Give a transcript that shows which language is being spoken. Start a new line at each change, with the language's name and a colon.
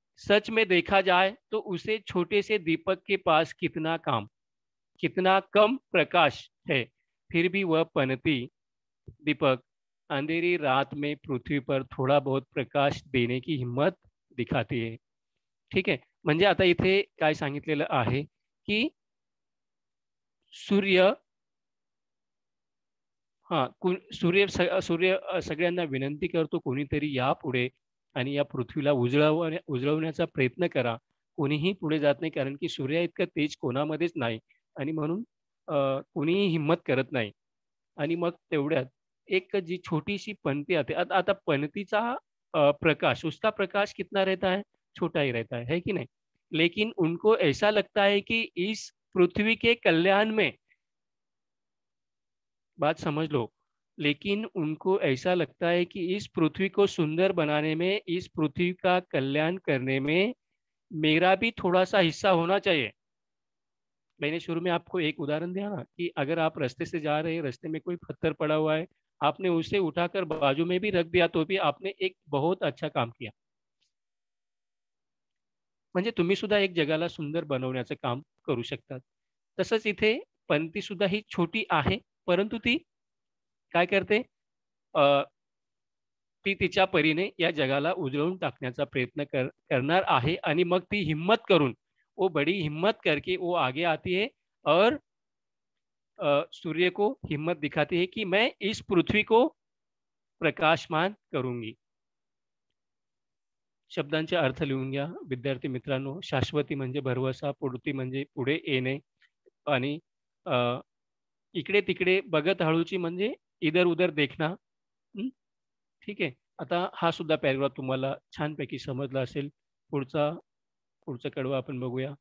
Hindi: सच में देखा जाए तो उसे छोटे से दीपक के पास कितना काम, कितना कम प्रकाश है, फिर भी वह पनती दीपक अंधेरी रात में पृथ्वी पर थोड़ा बहुत प्रकाश देने की हिम्मत दिखाती है. ठीक है.
Marathi: म्हणजे आता इथे काय सांगितलेलं आहे की सूर्य, सूर्य सूर्य सगळ्यांना विनंती करतो कोणीतरी या पुढे आणि या पृथ्वीला उजळवण्याचा प्रयत्न करा. कोणीही पुढे जात नाही, कारण की सूर्य इतकं तेज कोणामध्येच नाही आणि म्हणून कोणीही हिम्मत करत नाही. आणि मग तेवढ्यात एक जी छोटीशी पनती आते. आता पनतीचा प्रकाश,
Hindi: उसका प्रकाश कितना रहता है? छोटा ही रहता है कि नहीं? लेकिन उनको ऐसा लगता है कि इस पृथ्वी के कल्याण में, बात समझ लो, लेकिन उनको ऐसा लगता है कि इस पृथ्वी को सुंदर बनाने में, इस पृथ्वी का कल्याण करने में मेरा भी थोड़ा सा हिस्सा होना चाहिए. मैंने शुरू में आपको एक उदाहरण दिया ना कि अगर आप रास्ते से जा रहे हैं, रास्ते में कोई पत्थर पड़ा हुआ है, आपने उसे उठाकर बाजू में भी रख दिया तो भी आपने एक बहुत अच्छा काम किया.
Marathi: म्हणजे तुम्ही सुद्धा एक जगाला सुंदर बनवण्याचं काम करू शकता. तसंच इथे पंती सुद्धा ही छोटी आहे, परंतु ती काय करते, ती तिच्या परीने या जगाला उजळून टाकण्याचा प्रयत्न करणार आहे. आणि मग ती हिम्मत करून,
Hindi: वो बड़ी हिम्मत करके वो आगे आती है और सूर्य को हिम्मत दिखाती है कि मैं इस पृथ्वी को प्रकाशमान करूंगी.
Marathi: शब्दांचे अर्थ लिहून घ्या विद्यार्थी मित्रांनो. शाश्वती म्हणजे भरवसा, पुढती म्हणजे पुढे येणे, आणि इकडे तिकडे बघत हळूची म्हणजे
Hindi: इधर उधर देखना,
Marathi: ठीक आहे. आता हा सुद्धा पॅरेग्राफ तुम्हाला छानपैकी समजला असेल. पुढचा पुढचा कडवा आपण बघूया.